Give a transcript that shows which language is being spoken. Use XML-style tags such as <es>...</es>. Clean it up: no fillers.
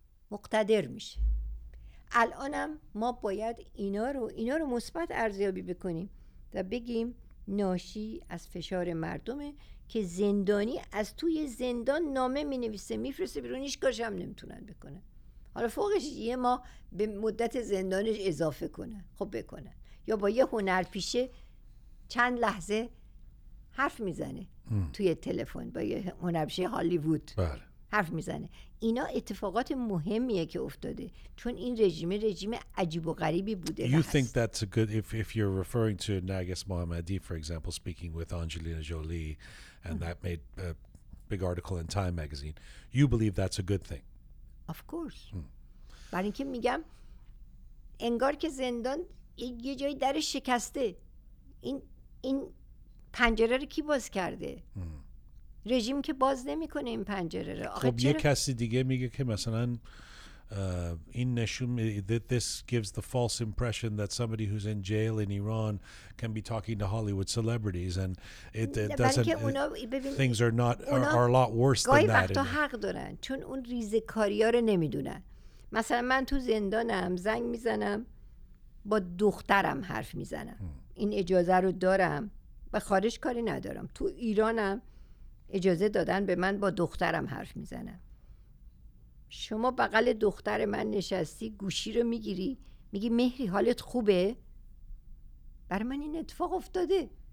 <fa>مقتدر میشه الانم ما باید اینا رو مثبت ارزیابی بکنیم و بگیم ناشی از فشار مردمه که زندانی از توی زندان نامه مینویسه میفرسته بیرون هیچ کاری هم نمیتونن بکنه حالا فوقش یه ما به مدت زندانش اضافه کنه خب بکنه یا با یه هنر پیشه چند لحظه حرف میزنه توی تلفن با یه هنر پیشه هالیوود بله. حرف میزنه اینا اتفاقات مهمیه که افتاده چون این رژیم عجیب و غریبی بوده</fa> <en>You think that's a good if you're referring to Nagis Mohammadi for example speaking with Angelina Jolie and that made a big article in Time magazine you believe that's a good thing Of course.</en> <fa>برای اینکه میگم انگار که زندان یه جای در شکسته این پنجره رو کی باز کرده رژیم که باز نمی کنه این پنجره رو خب یه کسی دیگه میگه که مثلا این نشون</fa> <en>this gives the false impression that somebody who's in jail in Iran can be talking to Hollywood celebrities and it doesn't things are not are a lot worse than that.</en> <fa>گاهی وقتا حق دارن چون اون ریزکاری ها رو نمیدونن مثلا من تو زندانم زنگ میزنم با دخترم حرف میزنم این اجازه رو دارم به خارج کاری ندارم تو ایرانم اجازه دادن به من با دخترم حرف میزنم شما بغل دختر من نشستی گوشی رو میگیری میگی مهری حالت خوبه برای من این اتفاق افتاده</fa>